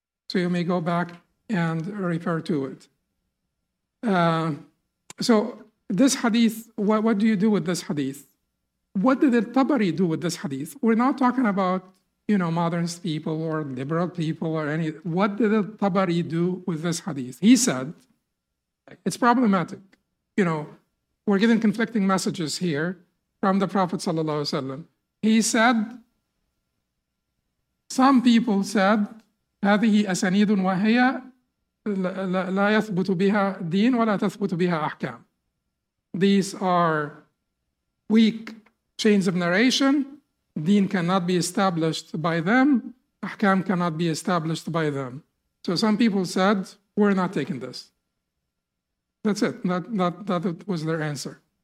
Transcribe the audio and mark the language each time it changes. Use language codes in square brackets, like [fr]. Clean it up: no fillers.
[en] So you may go back and refer to it. So this hadith, what do you do with this hadith? What did al-Tabari do with this hadith? We're not talking about, you know, modern people or liberal people or any. What did al-Tabari do with this hadith? He said, it's problematic. You know, we're getting conflicting messages here from the Prophet sallallahu alaihi wasallam. He said, some people said, [ar] هذه أسانيد وهي لا يثبت بها دين ولا تثبت بها أحكام. [en] These are weak chains of narration. Deen cannot be established by them. Ahkam cannot be established by them. So some people said, we're not taking this. That's it. That was their answer.